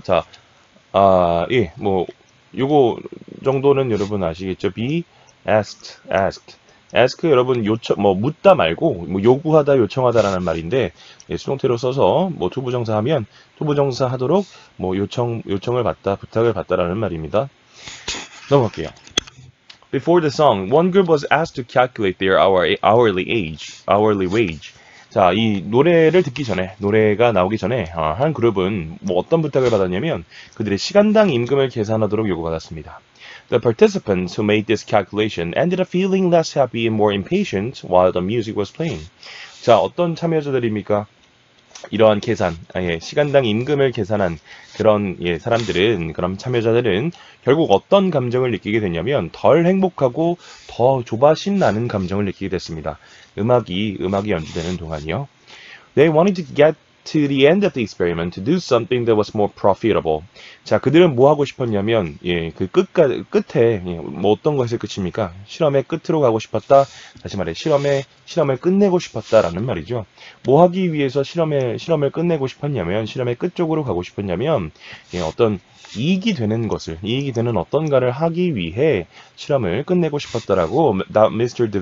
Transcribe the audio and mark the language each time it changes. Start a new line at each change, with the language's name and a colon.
Korean: 자, 예, 뭐 요거 정도는 여러분 아시겠죠?
English: Be asked.
Korean: ask 여러분 요청 뭐 묻다 말고 뭐 요구하다 요청하다라는 말인데 예, 수동태로 써서 뭐 초보정사 하면 초보정사 하도록 뭐 요청을 받다 부탁을 받다라는 말입니다. 넘어갈게요.
English: Before the song, one group was asked to calculate their hourly wage.
Korean: 자, 이 노래를 듣기 전에 노래가 나오기 전에 한 그룹은 뭐 어떤 부탁을 받았냐면 그들의 시간당 임금을 계산하도록 요구받았습니다.
English: The participants who made this calculation ended up feeling less happy and more impatient while the music was playing.
Korean: 자, 어떤 참여자들입니까? 이러한 계산, 예, 시간당 임금을 계산한 그런 예, 사람들은, 그런 참여자들은 결국 어떤 감정을 느끼게 됐냐면 덜 행복하고 더 조바심 나는 감정을 느끼게 됐습니다. 음악이 연주되는 동안이요.
English: They wanted to get to the end of the experiment to do something that was more profitable.
Korean: 자, 그들은 뭐 하고 싶었냐면 예, 그 끝에 예, 뭐 어떤 것일 끝입니까? 실험의 끝으로 가고 싶었다. 다시 말해 실험을 끝내고 싶었다라는 말이죠. 뭐 하기 위해서 실험을 끝내고 싶었냐면 실험의 끝 쪽으로 가고 싶었냐면 예, 어떤 이익이 되는 어떤가를 하기 위해 실험을 끝내고 싶었다라고 Mr.